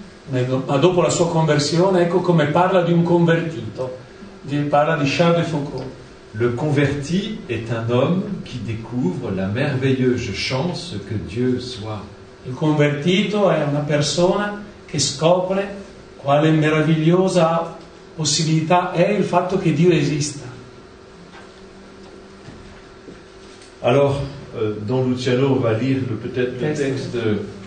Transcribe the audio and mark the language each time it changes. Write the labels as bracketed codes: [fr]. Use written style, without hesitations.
[it] Ma dopo la sua conversione, ecco come parla di un convertito. Parla di Charles de Foucault. [fr] Le converti est un homme qui découvre la merveilleuse chance que Dieu soit. [it] Il convertito è una persona che scopre quale meravigliosa possibilità è il fatto che Dio esista. [fr] Alors, Don Luciano va lire peut-être le texte de...